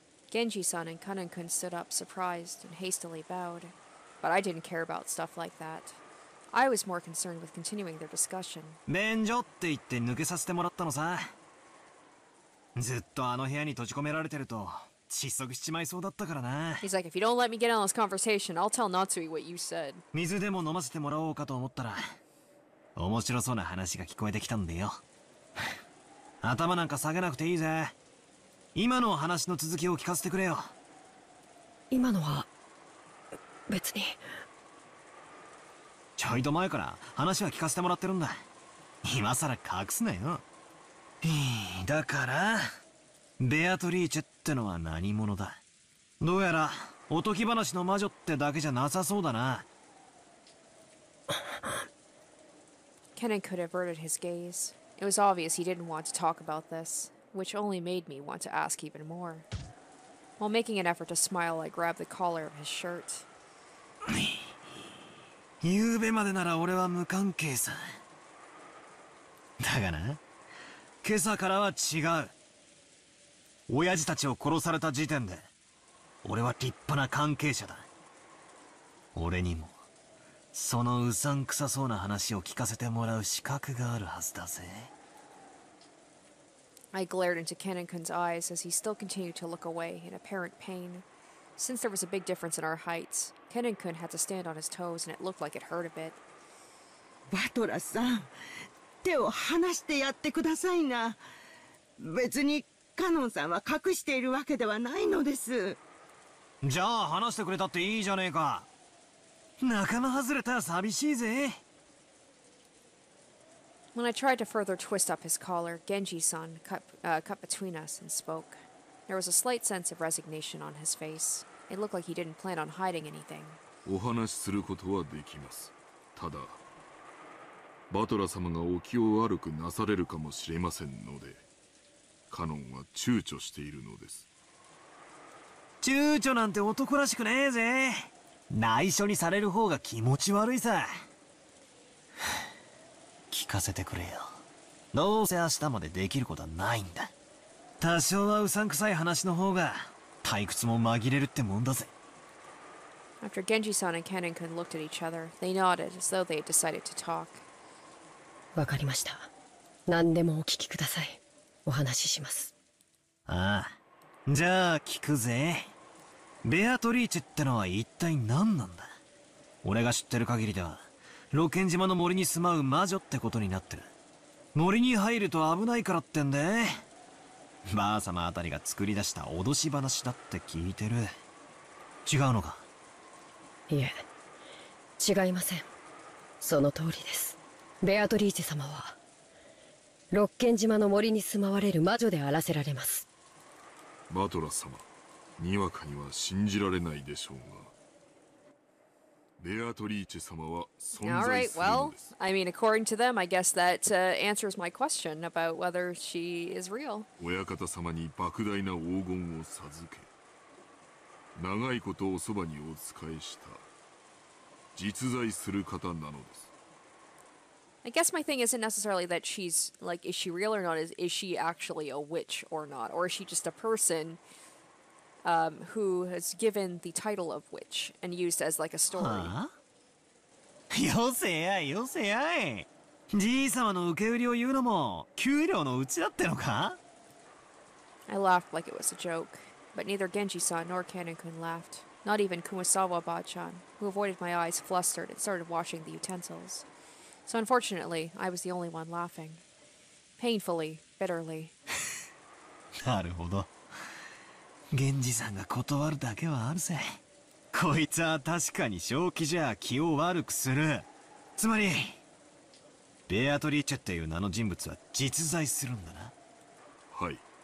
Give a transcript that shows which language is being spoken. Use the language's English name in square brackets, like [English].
[English] Genji-san and Kanan-kun stood up, surprised, and hastily bowed. But I didn't care about stuff like that. I was more concerned with continuing their discussion. [Japanese] 免除って言って抜けさせてもらったのさ。ずっとあの部屋に閉じ込められてると窒息しちまいそうだったからな。 [English] He's like, if you don't let me get on this conversation, I'll tell Natsui what you said. [Japanese] 水でも飲ませてもらおうかと思ったら、面白そうな話が聞こえてきたんでよ。頭なんか下げなくていいぜ。今の話の続きを聞かせてくれよ。今のは別に。ちょいと前から話は聞かせてもらってるんだ。今さら隠すなよ。だからベアトリーチェってのは何者だ。どうやらおとぎ話の魔女ってだけじゃなさそうだな。 [English] Kenan could have averted his gaze. It was obvious he didn't want to talk about this, which only made me want to ask even more. While making an effort to smile, I grabbed the collar of his shirt. [Japanese] 夕べまでなら俺は無関係さ。だがな、今朝からは違う。親父たちを殺された時点で、俺は立派な関係者だ。俺にも。そのうさんくさそうな話を聞かせてもらう資格があるはずだぜ。 [English] I glared into Kenan-kun's eyes as he still continued to look away in apparent pain. Since there was a big difference in our heights, Kenan-kun had to stand on his toes and it looked like it hurt a bit. [Japanese] バトラさん、手を離してやってくださいな。別にカノンさんは隠しているわけではないのです。じゃあ離してくれたっていいじゃねえか。仲間外れたら寂しいぜ。 [English] When I tried to further twist up his collar, Genji-san cut between us and spoke. There was a slight sense of resignation on his face. It looked like he didn't plan on hiding anything. [Japanese] お話しすることはできます。ただ、バトラ様がお気を悪くなされるかもしれませんので、カノンは躊躇しているのです。躊躇なんて男らしくねえぜ。内緒にされる方が気持ち悪いさ。聞かせてくれよ。どうせ明日までできることはないんだ。多少はうさんくさい話の方が退屈も紛れるってもんだぜ。 [English] After Genji-san and Kenan-kun looked at each other, they nodded as though they had decided to talk. [Japanese] わかりました。何でもお聞きください。お話しします。ああ。じゃあ聞くぜ。ベアトリーチェってのは一体何なんだ。俺が知ってる限りでは、露見島の森に住まう魔女ってことになってる。森に入ると危ないからってんで。ばあ様あたりが作り出した脅し話だって聞いてる。違うのか。いえ、違いません。その通りです。ベアトリーチェ様は、露見島の森に住まわれる魔女であらせられます。バトラ様。にわかには信じられないでしょうが、ベアトリーチェ様は存在するんです。 [English] Alright, well, I mean, according to them, I guess that answers my question about whether she is real. [Japanese] 親方様に莫大な黄金を授け、長いことおそばにお仕えした実在する方なのです。 [English] I guess my thing isn't necessarily that she's, like, is she real or not, is she actually a witch or not, or is she just a personwho has given the title of witch and used as like a story. [Japanese] Huh? よせやい、よせやい。じい様の受け売りを言うのも給料のうちだってのか? [English] I laughed like it was a joke, but neither Genji-san nor Kenan-kun laughed, not even Kumasawa-bachan, who avoided my eyes flustered and started washing the utensils. So unfortunately, I was the only one laughing. Painfully, bitterly. [Japanese] なるほど。源氏さんが断るだけはあるぜ。こいつは確かに正気じゃ気を悪くする。つまり、ベアトリーチェっていう名の人物は実在するんだな。はい。